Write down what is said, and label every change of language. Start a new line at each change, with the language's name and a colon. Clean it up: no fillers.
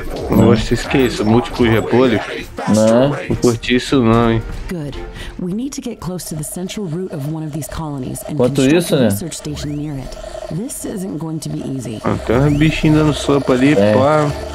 Portuguese: Nossa, esqueça, múltiplos repolhos. Não, não curti isso não, hein.
English: Good. We need to get close to the central root of one of these colonies and construct a research station near it. This isn't going to be easy.
Portuguese: Até um bichinho dando sopa ali, pá.